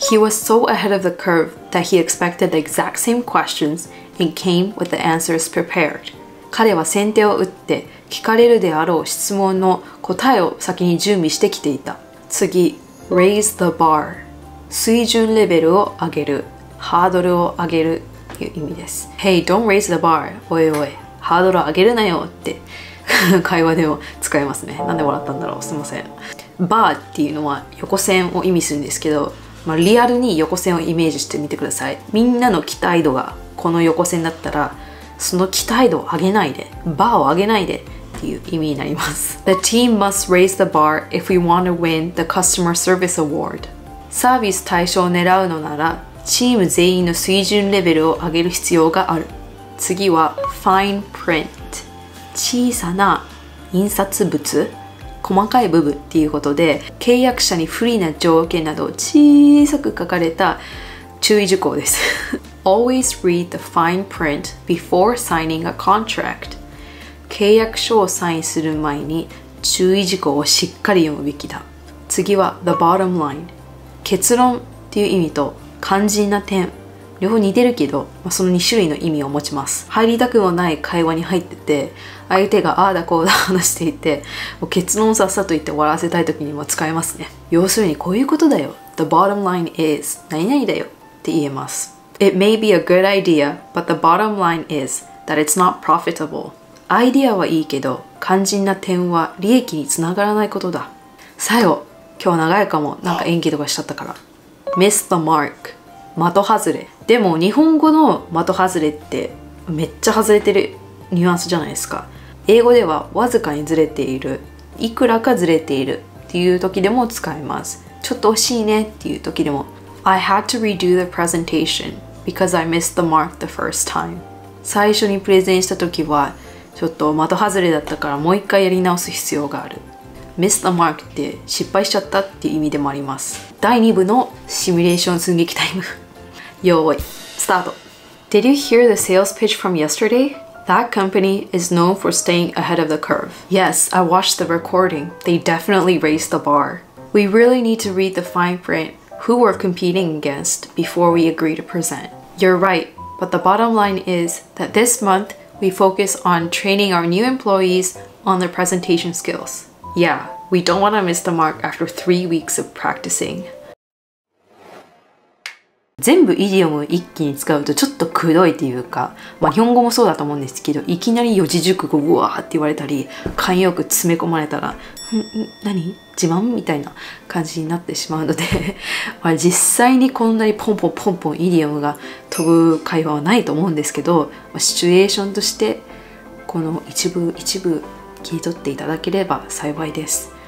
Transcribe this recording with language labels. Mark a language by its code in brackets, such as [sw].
[en] He was so ahead of the curve that he expected the exact same questions and came with the answers prepared. [ja] 彼は先手を打って聞かれるであろう質問の答えを先に準備してきていた。次、 raise the bar、水準レベルを上げる、ハードルを上げるいう意味です。 [en] Hey, don't raise the bar. [ja] おいおい、ハードル上げるなよって会話でも使えますね。なんで笑ったんだろう、すいません。Bar っていうのは横線を意味するんですけど、まあ、リアルに横線をイメージしてみてください。みんなの期待度がこの横線だったら、その期待度を上げないで、バーを上げないでっていう意味になります。 [en] The team must raise the bar if we want to win the customer service award. [ja] サービス対象を狙うのなら、チーム全員の水準レベルを上げる必要がある。次は Fine Print。小さな印刷物、細かい部分っていうことで、契約者に不利な条件などを小さく書かれた注意事項です。 [en] Always read the fine print before signing a contract。 [ja] 契約書をサインする前に注意事項をしっかり読むべきだ。次は The Bottom Line。結論っていう意味と肝心な点、両方似てるけど、まあ、その2種類の意味を持ちます。入りたくもない会話に入ってて、相手がああだこうだ話していて、もう結論さっさと言って終わらせたい時にも使えますね。要するにこういうことだよ、 The bottom line is 何々だよって言えます。 [en] It may be a good idea, but the bottom line is that it's not profitable. [ja] アイデアはいいけど、肝心な点は利益につながらないことだ。最後、今日長いかも、なんか延期とかしちゃったから。 [en] Miss the mark、 [ja] 的外れ。でも日本語の的外れってめっちゃ外れてるニュアンスじゃないですか。英語ではわずかにずれている、いくらかずれているっていう時でも使えます。ちょっと惜しいねっていう時でも、 [en] I had to redo the presentation because I missed the mark the first time。 [ja] 最初にプレゼンした時はちょっと的外れだったから、もう一回やり直す必要がある。 Miss the mark って失敗しちゃったっていう意味でもあります。第2部のシミュレーション寸劇タイム、用意スタート。 [en] Did you hear the sales pitch from yesterday? That company is known for staying ahead of the curve. Yes, I watched the recording. They definitely raised the bar. We really need to read the fine print who we're competing against before we agree to present. You're right, but the bottom line is that this month we focus on training our new employees on their presentation skillsYeah, we don't want to miss the mark after 3 weeks of practicing. [ja] 全部イディオム一気に使うとちょっとくどいっていうか、まあ、日本語もそうだと思うんですけど、いきなり四字熟語うわーって言われたり、慣用句詰め込まれたら、何自慢みたいな感じになってしまうので、まあ実際にこんなにポンポンポンポンイディオムが飛ぶ会話はないと思うんですけど、まあ、シチュエーションとしてこの一部聞き取っていただければ幸いです。